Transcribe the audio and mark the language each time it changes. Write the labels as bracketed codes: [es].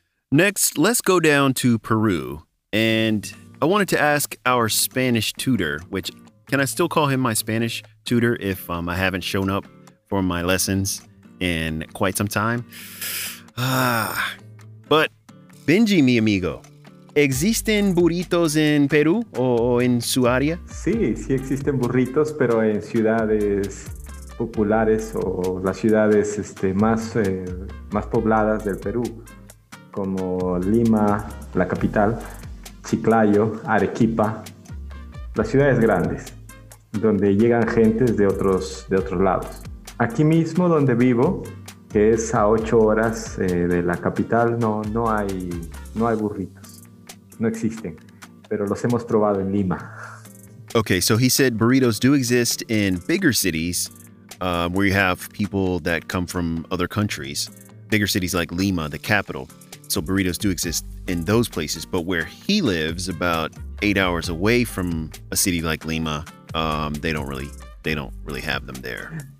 [en] Next, let's go down to Peru, and I wanted to ask our Spanish tutor, which, can I still call him my Spanish tutor if I haven't shown up for my lessons in quite some time? [es] But Benji, mi amigo, ¿existen burritos en Perú o en su área? Sí, sí existen burritos, pero en ciudades populares o las ciudades más pobladas del Perú, como Lima, la capital, Chiclayo, Arequipa, las ciudades grandes, donde llegan gentes de otros lados. Aquí mismo, donde vivo, que es a 8 horas de la capital, no hay burritos, no existen, pero los hemos probado en Lima. [en] Okay, so he said burritos do exist in bigger cities, where you have people that come from other countries, bigger cities like Lima, the capital. So burritos do exist in those places, but where he lives, about 8 hours away from a city like Lima, they don't really have them there.